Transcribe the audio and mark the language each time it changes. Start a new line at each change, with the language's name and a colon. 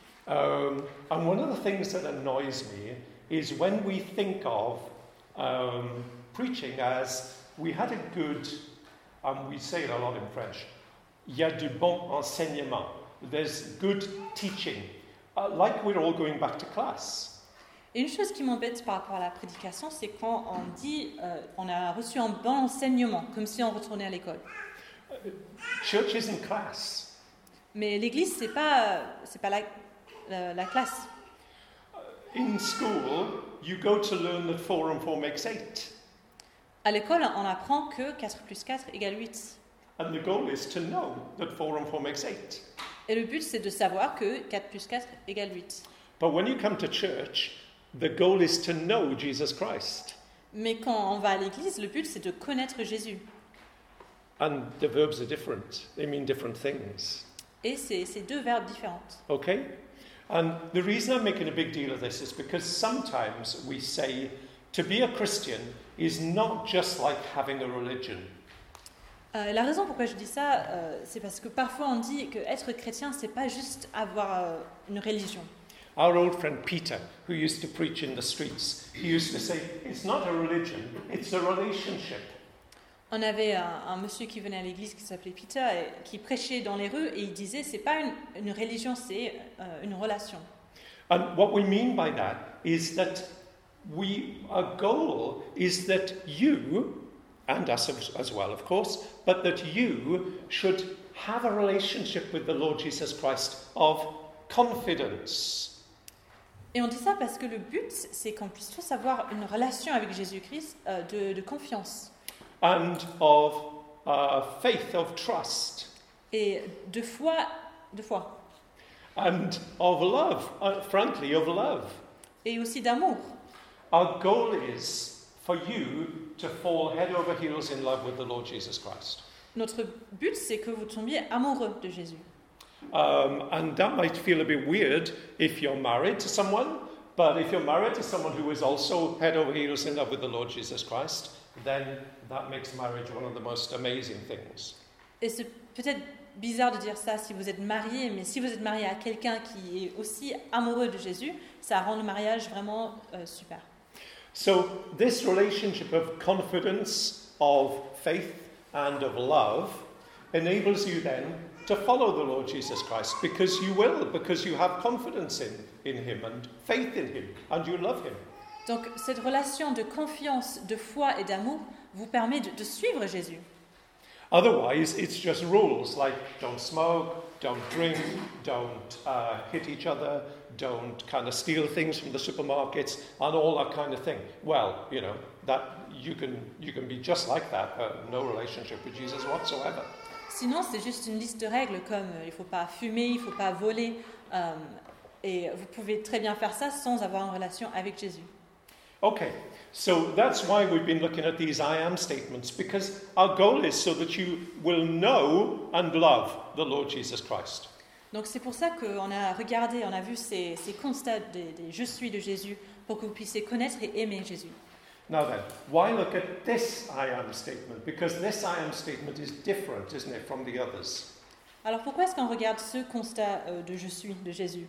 English: And one of the things that annoys me is when we think of preaching as we had a good, and we say it a lot in French,
French: il y a du bon enseignement,
English: there's good teaching, like we're all going back to class.
French: Et une chose qui m'embête par rapport à la prédication, c'est quand on dit on a reçu un bon enseignement, comme si on retournait à l'école.
English: Church isn't class.
French: Mais l'église, c'est pas la classe.
English: In school, you go to learn that 4 and 4 makes 8.
French: À l'école, on apprend que 4 plus 4 égale 8.
English: And the goal is to know that 4 and 4 makes 8.
French: Et le but, c'est de savoir que 4 plus 4 égale 8.
English: But when you come to church, the goal is to know Jesus Christ.
French: Mais quand on va à l'église, le but, c'est de connaître Jésus.
English: And the verbs are different. They mean different things.
French: Et c'est deux verbes différents.
English: Okay? And the reason I'm making a big deal of this is because sometimes we say to be a Christian is not just like having a religion.
French: La raison pourquoi je dis ça, c'est parce que parfois on dit que être chrétien, c'est pas juste avoir une religion.
English: Our old friend Peter, who used to preach in the streets, he used to say, it's not a religion, it's a relationship.
French: On avait un monsieur qui venait à l'église qui s'appelait Peter et qui prêchait dans les rues et il disait, c'est pas une religion, c'est une relation.
English: And what we mean by that is that our goal is that you, and us as well, of course, but that you should have a relationship with the Lord Jesus Christ of confidence.
French: Et on dit ça parce que le but, c'est qu'on puisse tous avoir une relation avec Jésus-Christ de confiance.
English: And of faith, of trust.
French: Et de foi, de foi.
English: And of love, frankly, of love.
French: Et aussi d'amour.
English: Our goal is for you to fall head over heels in love with the Lord Jesus Christ.
French: Notre but, c'est que vous tombiez amoureux de Jésus.
English: And that might feel a bit weird if you're married to someone, but if you're married to someone who is also head over heels in love with the Lord Jesus Christ, then that makes marriage one of the most amazing things.
French: Et c'est peut-être bizarre de dire ça si vous êtes marié, mais si vous êtes marié à quelqu'un qui est aussi amoureux de Jésus, ça rend le mariage vraiment super.
English: So this relationship of confidence, of faith, and of love enables you then to follow the Lord Jesus Christ, because you will, because you have confidence in him and faith in him and you love him.
French: Donc cette relation de confiance, de foi et d'amour vous permet de suivre Jésus.
English: Otherwise, it's just rules like don't smoke, don't drink, don't hit each other, don't kind of steal things from the supermarkets and all that kind of thing. Well, you know, that you can be just like that, no relationship with Jesus whatsoever.
French: Sinon, c'est juste une liste de règles comme il ne faut pas fumer, il ne faut pas voler. Et vous pouvez très bien faire ça sans avoir une relation avec Jésus.
English: OK. So that's why we've been looking at these I am statements, because our goal is so that you will know and love the Lord Jesus Christ.
French: Donc c'est pour ça qu'on a regardé, on a vu ces constats des je suis de Jésus pour que vous puissiez connaître et aimer Jésus.
English: Now then, why look at this I am statement? Because this I am statement is different, isn't it, from the others?
French: Alors pourquoi est-ce qu'on regarde ce constat de je suis de Jésus?